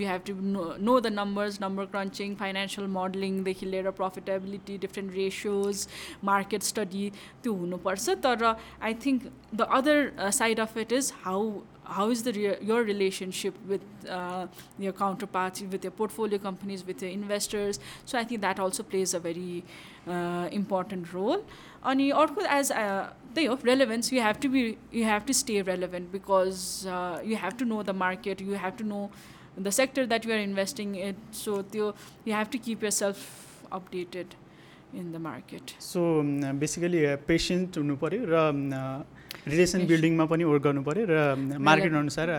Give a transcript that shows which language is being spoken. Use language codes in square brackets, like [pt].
[en] you have to know the numbers, number crunching, financial मोडलिङदेखि लिएर profitability, different ratios, market study, [ne] त्यो हुनुपर्छ. [en] तर I think the other side of it is how is the your relationship with your counterparts, with your portfolio companies, with your investors. So I think that also plays a very important role. Ani orko as they of relevance, you have to stay relevant because you have to know the market, you have to know the sector that you are investing in. So you have to keep yourself updated in the market. So basically patient [ne] hunu paryo ra relation बिल्डिङमा पनि work गर्नु पऱ्यो र market अनुसार